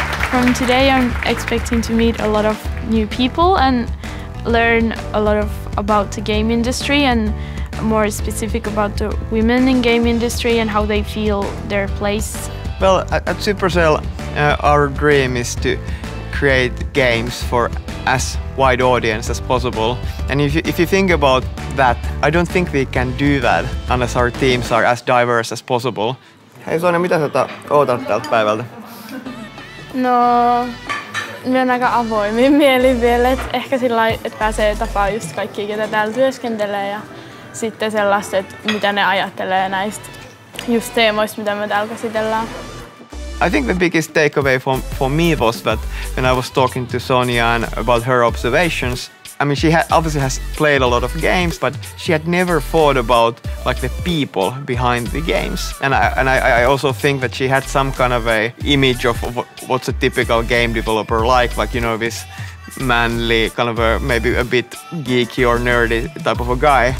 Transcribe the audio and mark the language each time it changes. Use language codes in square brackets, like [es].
[en] From today, I'm expecting to meet a lot of new people and learn a lot of about the game industry and more specific about the women in game industry and how they feel their place. Well, at Supercell, our dream is to create games for as wide audience as possible. And if you think about that, I don't think we can do that unless our teams are as diverse as possible. [fi] Hei Sonja, mitä sä ootat tältä päivältä? No, mä oon aika avoimin mielin vielä, että ehkä sillä lailla, että pääsee tapaa just kaikki, ketä täällä työskentelee ja sitten sellaiset, että mitä ne ajattelee näistä just teemoista, mitä me täällä käsitellään. [en] I think the biggest takeaway for me was that when I was talking to Sonja and about her observations, I mean, she obviously has played a lot of games, but she had never thought about like the people behind the games. And I also think that she had some kind of a image of what's a typical game developer like, you know, this manly, kind of a, maybe a bit geeky or nerdy type of a guy.